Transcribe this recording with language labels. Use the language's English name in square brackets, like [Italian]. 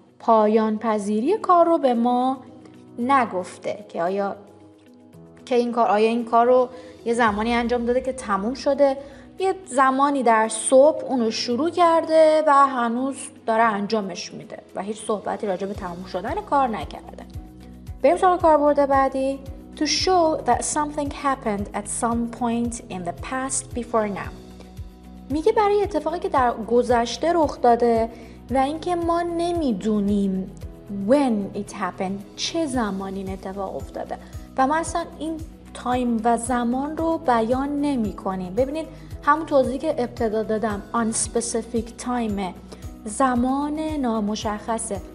[Persian] پایان پذیری کار رو به ما نگفته که این کار رو یه زمانی انجام داده که تموم شده، یه زمانی در صبح اونو شروع کرده و هنوز داره انجامش میده و هیچ صحبتی راجع به تموم شدن کار نکرده. بریم سراغ کاربرد بعدی. [English] To show that something happened at some point in the past before now. [Persian] میگه برای اتفاقی که در گذشته رخ داده و اینکه ما نمیدونیم [English] when it happened، [Persian] چه زمانی این اتفاق افتاده و ما اصلا این تایم و زمان رو بیان نمی کنیم. ببینید همون توضیحی که ابتدا دادم [English] unspecific time، [Persian] زمان نامشخصه.